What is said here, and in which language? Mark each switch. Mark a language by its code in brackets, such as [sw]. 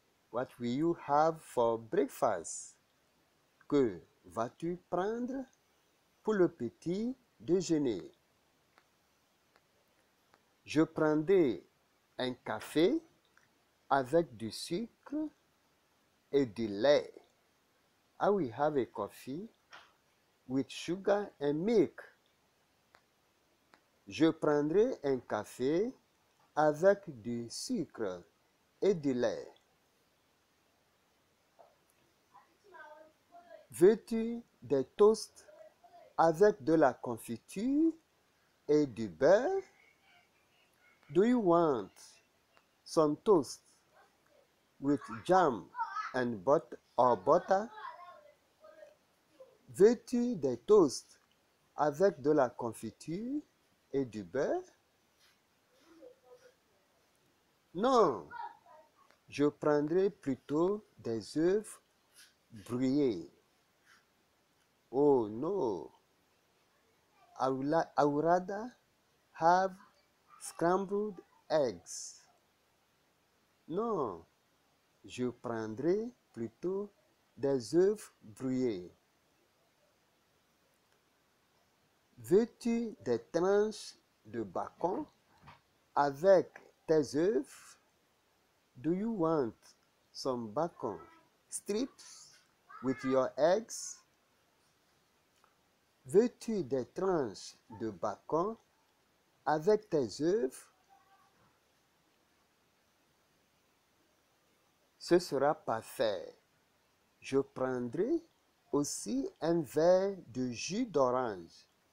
[en] What will you have for breakfast? [fr] Que vas-tu prendre pour le petit déjeuner? Je prendrai un café avec du sucre et du lait. [en] I will have a coffee with sugar and milk. [fr] Je prendrai un café avec du sucre et du lait. Veux-tu des toasts avec de la confiture et du beurre? [en] Do you want some toast with jam and butter? [fr] Veux-tu des toasts avec de la confiture et du beurre? Non, je prendrai plutôt des œufs brouillés. [en] Oh non, I would rather have scrambled eggs. [fr] Non, je prendrai plutôt des œufs brouillés. Veux-tu des tranches de bacon avec tes œufs? [en] Do you want some bacon strips with your eggs? [fr] Veux-tu des tranches de bacon avec tes œufs? Ce sera parfait. Je prendrai aussi un verre de jus d'orange.